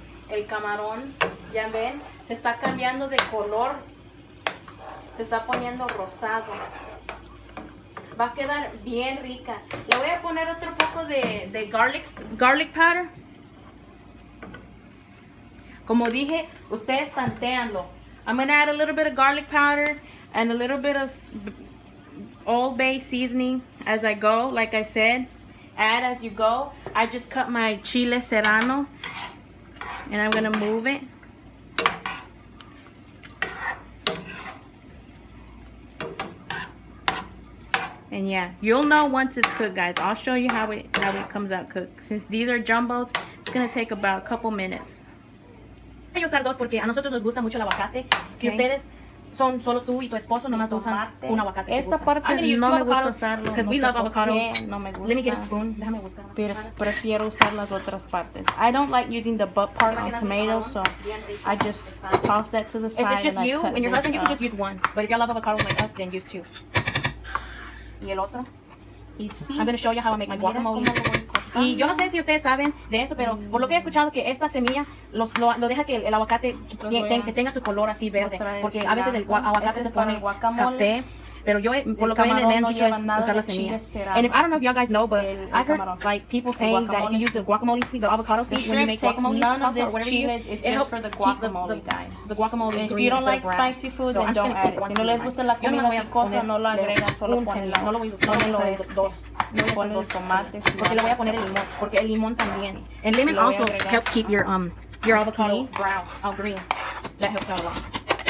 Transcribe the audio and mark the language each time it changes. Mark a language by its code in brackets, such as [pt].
[es] El camarón, ya ven, se está cambiando de color. Se está poniendo rosado. Va a quedar bien rica. Le voy a poner otro poco de garlic powder. Como dije, ustedes tanteanlo. [en] I'm gonna add a little bit of garlic powder and a little bit of Old Bay seasoning as I go. Like I said, add as you go. I just cut my chile serrano and I'm gonna move it. And yeah, you'll know once it's cooked, guys. I'll show you how it comes out cooked. Since these are jumbos, it's gonna take about a couple minutes. [es] Voy a usar dos porque a nosotros nos gusta mucho el aguacate. Okay. Si ustedes son solo tú y tu esposo, nomás usan un aguacate. Esta parte no me gusta usarlo. [en] Because we love avocados. [es] No me gusta. [en] Let me get a spoon. [es] Déjame buscar. Pero prefiero usar las otras partes. [en] I don't like using the butt part on tomatoes, so I just toss that to the side. If it's just you and your husband, you can just use one. But if you love avocados like us, then use two. [es] Y el otro. Y sí. [en] I'm going to show you how I make my guacamole. [es] Y yo no sé si ustedes saben de esto, pero por lo que he escuchado, que esta semilla lo deja que el aguacate que tenga su color así verde. Porque a veces el aguacate este se pone guacamole. Café. Pero yo, por lo que me dicen, no lleva nada de semillas. [en] And if, I don't know if y'all guys know, but I've heard like people saying that if you use the guacamole seed, the avocado seed, when you make guacamole, none of this chili, it's just for the guacamole, guys. The guacamole. If you don't like spicy food, then don't add it. [es] Si no les gusta la comida picosa, no lo agregan, solo ponlo. No lo voy a usar, solo dos. No con los tomates. Porque le voy a poner el limón, porque el limón también. [en] And lemon also helps keep your avocado green. Brown. Oh, green. That helps out a lot.